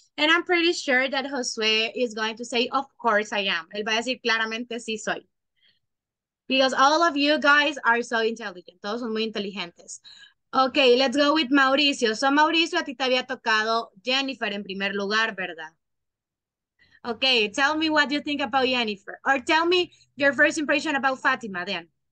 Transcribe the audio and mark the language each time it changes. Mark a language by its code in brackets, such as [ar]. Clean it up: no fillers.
[en] And I'm pretty sure that Josué is going to say, of course I am. [es] Él va a decir claramente sí soy. [en] Because all of you guys are so intelligent. [es] Todos son muy inteligentes. [en] Okay, let's go with Mauricio. [es] So, Mauricio, a ti te había tocado Jennifer en primer lugar, ¿verdad? [en] Okay, tell me what you think about Jennifer. Or tell me your first impression about Fátima, then.